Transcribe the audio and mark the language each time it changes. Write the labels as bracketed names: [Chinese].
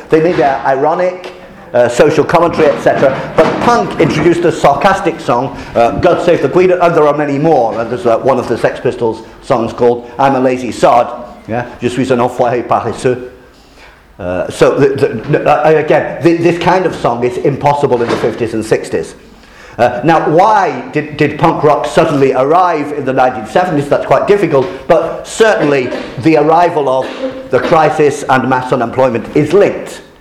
[English] They may be ironic, social commentary, etc. But punk introduced a sarcastic song, God Save the Queen, and there are many more. And there's one of the Sex Pistols songs called I'm a Lazy Sod. [French] Yeah, je suis un enfoiré paresseux. [English] So, again, this kind of song is impossible in the 50s and 60s. Now, why did punk rock suddenly arrive in the 1970s? That's quite difficult, but certainly the arrival of the crisis and mass unemployment is linked.